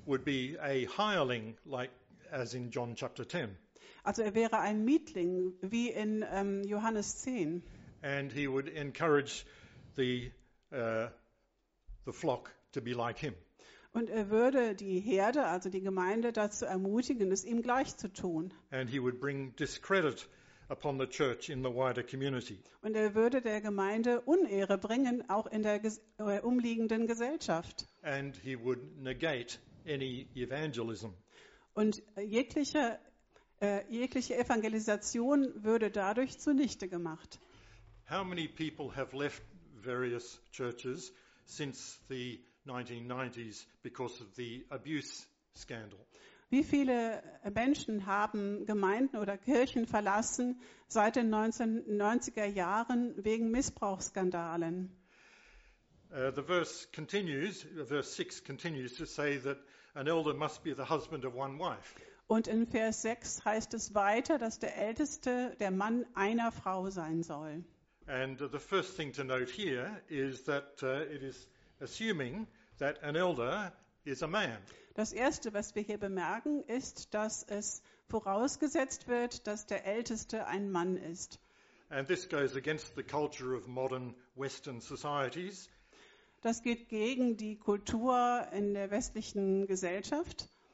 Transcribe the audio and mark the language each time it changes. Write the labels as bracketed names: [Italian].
[English] Would be a hireling, like as in John chapter 10. [German] Also er wäre ein Mietling, wie in Johannes 10. [English] And he would encourage the flock to be like him. [German] Und er würde die Herde, also die Gemeinde, dazu ermutigen, es ihm gleich zu tun. [English] And he would bring discredit upon the church in the wider community. [German] Und er würde der Gemeinde Unehre bringen, auch in der umliegenden Gesellschaft. [English] And he would negate any evangelism. [German] Und jegliche Evangelisation würde dadurch zunichte gemacht. [English] How many people have left various churches since the 1990s because of the abuse scandal? [German] Wie viele Menschen haben Gemeinden oder Kirchen verlassen seit den 1990er Jahren wegen Missbrauchsskandalen? [English] The verse continues, verse 6 continues to say that an elder must be the husband of one wife. [German] Und in Vers 6 heißt es weiter, dass der Älteste der Mann einer Frau sein soll. [English] And the first thing to note here is that it is assuming that an elder is a man. [German] Das erste, was wir hier bemerken, ist, dass es vorausgesetzt wird, dass der Älteste ein Mann ist. [English] And this goes against the culture of modern Western societies. [German] Das geht gegen die Kultur in der westlichen Gesellschaft,